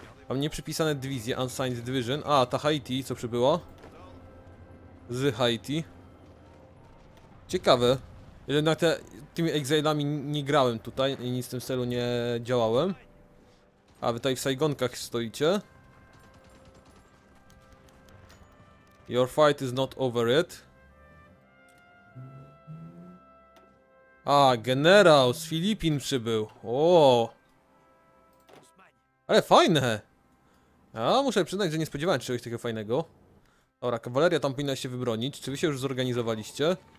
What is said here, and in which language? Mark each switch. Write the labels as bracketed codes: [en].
[pl] Mam nieprzypisane dywizje, unsigned division. A, ta Haiti, co przybyła. Z Haiti. Ciekawe. Jednak tymi exilami nie grałem tutaj i nic w tym celu nie działałem. A, wy tutaj w Saigonkach stoicie. [en] Your fight is not over yet. [pl] A, generał z Filipin przybył. O, ale fajne. A, muszę przyznać, że nie spodziewałem się czegoś takiego fajnego. Dobra, kawaleria tam powinna się wybronić. Czy wy się już zorganizowaliście?